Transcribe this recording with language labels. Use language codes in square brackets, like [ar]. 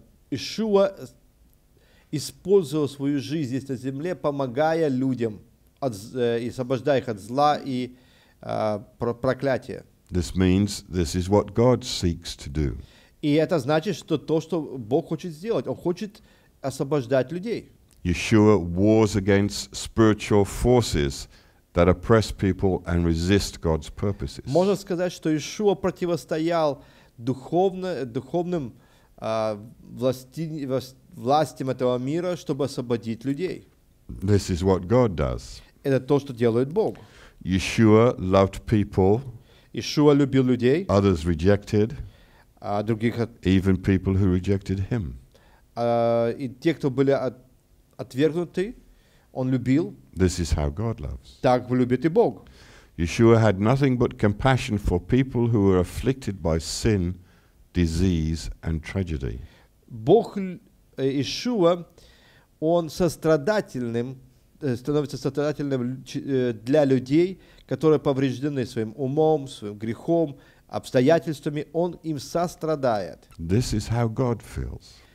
[ru] Иешуа использовал свою жизнь здесь на земле, помогая людям и освобождая их от зла и проклятия. [en] This means this is what God seeks to do. [ru] И это значит, что то, что Бог хочет сделать, Он хочет освобождать людей. [en] Yeshua wars against spiritual forces that oppress people and resist God's purposes. [ru] Можно сказать, что Иешуа противостоял духовным властям этого мира, чтобы освободить людей. [en] This is what God does. [ru] Это то, что делает Бог. [en] Yeshua loved people. [ru] Иешуа любил людей. [en] Others rejected. [ru] Других [en] even people who rejected him. [ru] И те, кто были отвергнутый, он любил. [en] This is how God loves. [ru] Так любит и Бог. [en] Yeshua had nothing but compassion for people who were afflicted by sin, disease, and tragedy. [ru] Бог Иешуа, он сострадательным становится сострадательным для людей, которые повреждены своим умом, своим грехом, обстоятельствами, он им сострадает. [en] This is how God feels.